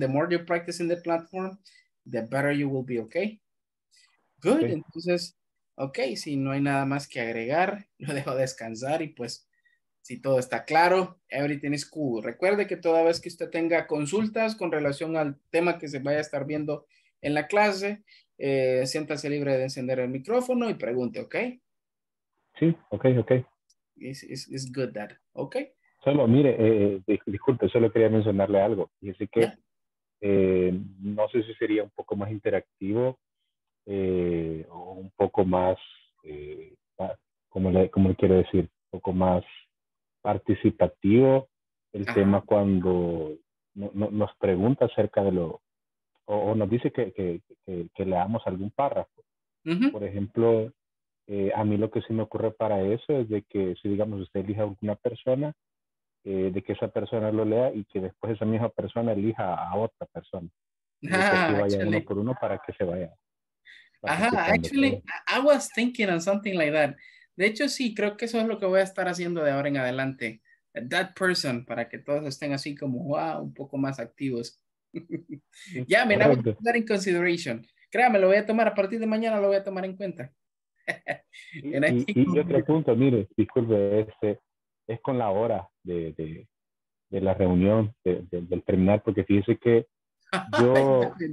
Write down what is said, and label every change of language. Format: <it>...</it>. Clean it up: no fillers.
<en>The more you practice in the platform, the better you will be, ok? Good, okay.</en> <es>Entonces, ok, si no hay nada más que agregar, lo dejo descansar y pues, si todo está claro,</es> <en>everything is cool.</en> <es>Recuerde que toda vez que usted tenga consultas con relación al tema que se vaya a estar viendo en la clase, siéntase libre de encender el micrófono y pregunte, ¿ok? Sí, ok.</es> <en>It's good that, ¿ok?</en> <es>Solo, mire, disculpe, solo quería mencionarle algo. Y así que no sé si sería un poco más interactivo o un poco más, como le quiero decir, un poco más participativo el tema cuando nos pregunta acerca de lo, o nos dice que leamos algún párrafo. Uh-huh. Por ejemplo, a mí lo que se me ocurre para eso es de que si digamos usted elija a alguna persona, de que esa persona lo lea y que después esa misma persona elija a otra persona. Que vaya uno por uno para que se vaya.</es> <en>Actually, I was thinking of something like that.</en> <es>De hecho, sí, creo que eso es lo que voy a estar haciendo de ahora en adelante.</es> <en>That person,</en> <es>para que todos estén así como, wow, un poco más activos. Ya, yeah, mira, voy a tomar en consideration. Créame, lo voy a tomar, a partir de mañana lo voy a tomar en cuenta. y otro punto, mire, disculpe, es con la hora de la reunión, del terminar, porque fíjese que yo...</es>